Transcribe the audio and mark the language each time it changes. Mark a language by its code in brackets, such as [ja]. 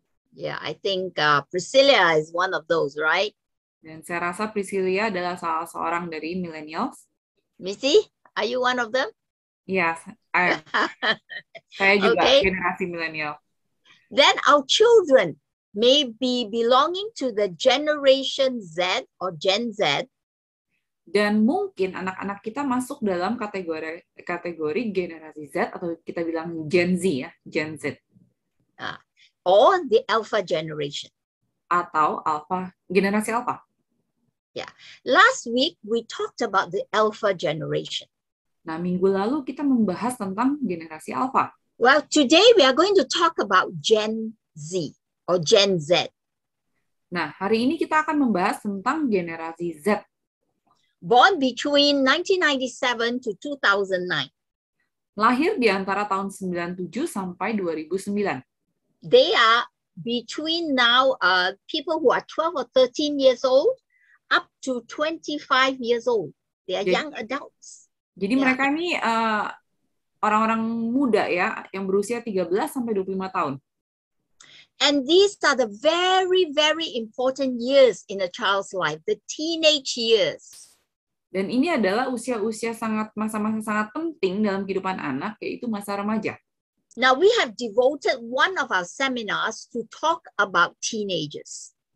[en] Yeah, I think Priscilla is one of those, right? [id] Dan saya rasa Priscilla adalah salah seorang dari millennials. [en] Missy, are you one of them? [id] Yes, saya juga okay. Generasi milenial. [en] Then our children may be belonging to the Generation Z or Gen Z. [id] Dan mungkin anak-anak kita masuk dalam kategori generasi Z atau kita bilang Gen Z ya, Gen Z. [en] Or the Alpha generation. [id] Atau Alpha, generasi Alpha. [en] Yeah. Last week we talked about the Alpha generation. [id] Nah, minggu lalu kita membahas tentang generasi Alpha. [en] Well, today we are going to talk about Gen Z or Gen Z. [id] Nah, hari ini kita akan membahas tentang generasi Z. [en] Born between 1997 to 2009. [id] Lahir di antara tahun 97 sampai 2009. [en] They are between now people who are 12 or 13 years old up to 25 years old. They are young adults. [id] Jadi yeah. Mereka ini orang-orang muda ya, yang berusia 13 sampai 25 tahun. [en] And these are the very, very important years in a child's life, the teenage years. [id] Dan ini adalah usia-usia sangat masa-masa sangat penting dalam kehidupan anak, yaitu masa remaja. [en] Now we have devoted one of our seminars to talk about teenagers.